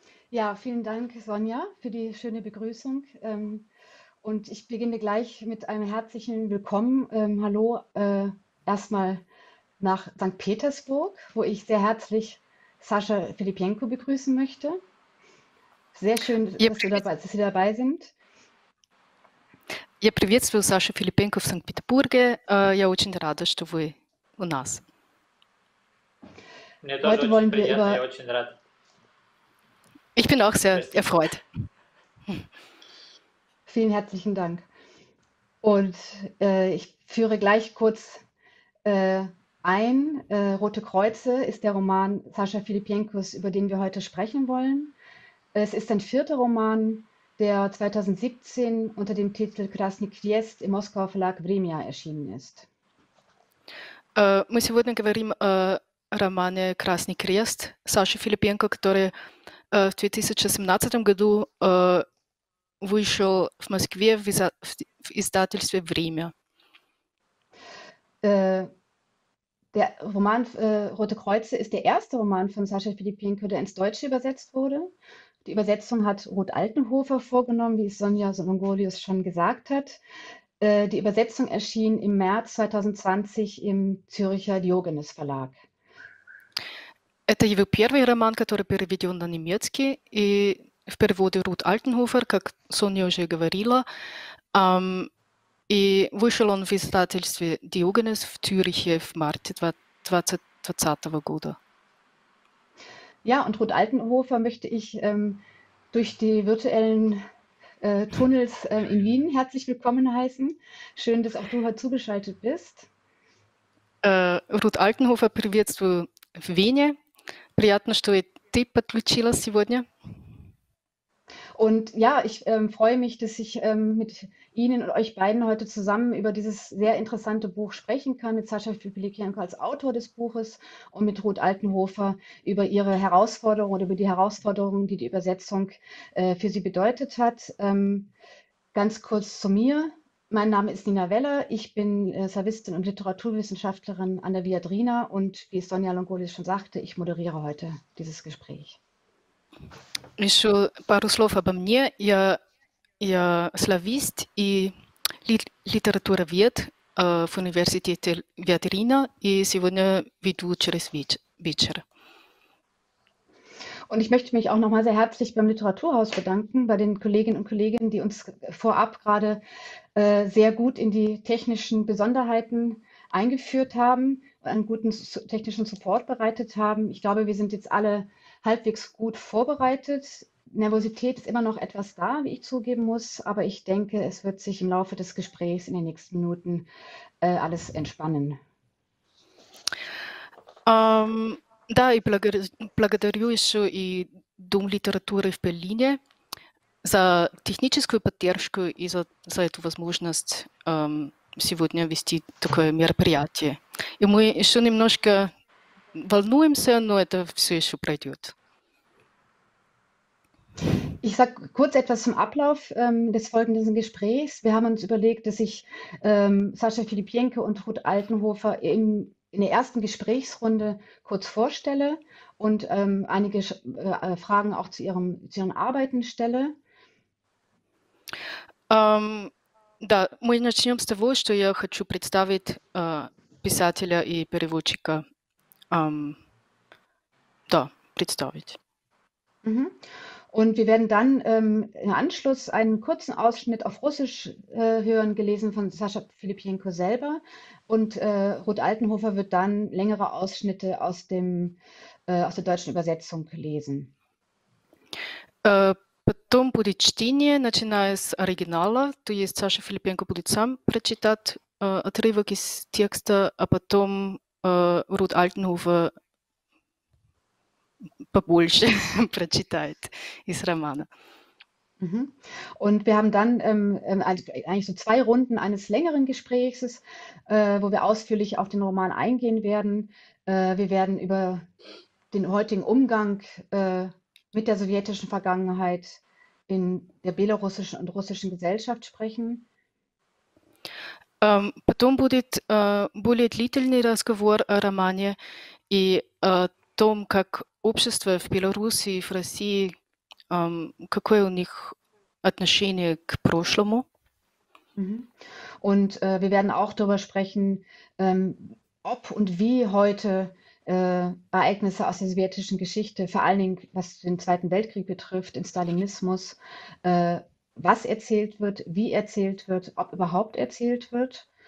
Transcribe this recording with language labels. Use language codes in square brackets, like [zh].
[de] Ja, vielen Dank, Sonja, für die schöne Begrüßung. Und ich beginne gleich mit einem herzlichen Willkommen. Hallo, erstmal nach St. Petersburg, wo ich sehr herzlich Sascha Filipenko begrüßen möchte. Sehr schön, dass Sie dabei sind. [ru] Я приветствую Сашу Филипенко в Санкт-Петербурге. Я очень рада, что вы у нас. Мне тоже [de] Heute [ru] очень приятно, [de] über... [ru] я очень рад. [de] Ich bin auch sehr [ru] Спасибо. [de] Erfreut. Vielen herzlichen Dank. Und ich führe gleich kurz ein. Rote Kreuze ist der Roman Sascha Filipenkos, über den wir heute sprechen wollen. Es ist ein vierter Roman, der 2017 unter dem Titel Krasny Kriest im Moskauer Verlag Vremya erschienen ist. [ru] Мы сегодня говорим о романе «Красный крест» Саши Филипенко, который в 2017 году вышел в Москве в издательстве «Время». [de] Der Roman «Rote Kreuze» ist der erste Roman von Sascha Filipenko, der ins Deutsche übersetzt wurde. Die Übersetzung hat Ruth Altenhofer vorgenommen, wie es Sonja Longolius schon gesagt hat. Die Übersetzung erschien im März 2020 im Zürcher Diogenes Verlag. [ru] Это его первый роман, который переведен на немецкий и в переводе Рут Альтенхофер, как Соня уже говорила, и вышел он в издательстве Диогенес в Цюрихе в марте 2020 года. [de] Ja, und Ruth Altenhofer möchte ich durch die virtuellen Tunnels in Wien herzlich willkommen heißen. Schön, dass auch du heute zugeschaltet bist. [ru] Ruth Altenhofer, приветствую в Вене. Приятно, что и ты подключилась сегодня. [de] Und ja, ich freue mich, dass ich mit Ihnen und euch beiden heute zusammen über dieses sehr interessante Buch sprechen kann, mit Sascha Filipenko als Autor des Buches und mit Ruth Altenhofer über ihre Herausforderung oder über die Herausforderungen, die die Übersetzung für sie bedeutet hat. Ganz kurz zu mir. Mein Name ist Nina Weller. Ich bin Slawistin und Literaturwissenschaftlerin an der Viadrina und wie Sonja Longolius schon sagte, ich moderiere heute dieses Gespräch. [ru] Еще пару слов обо мне. Я славист и литературовед в университете Виадрина и сегодня веду через вечер. [de] Und ich möchte mich auch nochmal sehr herzlich beim Literaturhaus bedanken, bei den Kolleginnen und Kollegen, die uns vorab gerade sehr gut in die technischen Besonderheiten eingeführt haben, einen guten technischen Support bereitet haben. Ich glaube, wir sind jetzt alle halbwegs gut vorbereitet. Nervosität ist immer noch etwas da, wie ich zugeben muss, aber ich denke, es wird sich im Laufe des Gesprächs in den nächsten Minuten alles entspannen. [ru] Да, и благодарю еще и Дом литературы в Берлине за техническую поддержку и за эту возможность сегодня вести такое мероприятие. И мы еще немножко волнуемся, но это все еще пройдет. [de] Ich sage kurz etwas zum Ablauf des folgenden Gesprächs. Wir haben uns überlegt, dass sich Sascha Filipenko und Ruth Altenhofer in der ersten Gesprächsrunde kurz vorstelle und einige Fragen auch zu ihren Arbeiten stelle. [ru] Да, мы начнем с того, что я хочу представить писателя и переводчика. Да, представить. Mhm. [de] Und wir werden dann im Anschluss einen kurzen Ausschnitt auf Russisch hören, gelesen von Sascha Filipenko selber. Und Ruth Altenhofer wird dann längere Ausschnitte aus der deutschen Übersetzung lesen. [ru] Том будет чтение, начиная с оригинала, то есть Саша Филипенко будет сам прочитать отрывок из текста, а потом Рут Альтнова побольше прочитает из романа. [de] Und wir haben dann eigentlich so zwei Runden eines längeren Gesprächs, wo wir ausführlich auf den Roman eingehen werden. Wir werden über den heutigen Umgang mit der sowjetischen Vergangenheit in der belarussischen und russischen Gesellschaft sprechen. [ru] Потом будет более длительный разговор о романе и о том, как общество в Беларуси и в России, какое у них отношение к прошлому. [de] Und wir werden auch darüber sprechen, ob und wie heute Ereignisse aus der sowjetischen Geschichte, vor allen Dingen was den Zweiten Weltkrieg betrifft, den Stalinismus, was erzählt wird, wie erzählt wird, ob überhaupt erzählt wird.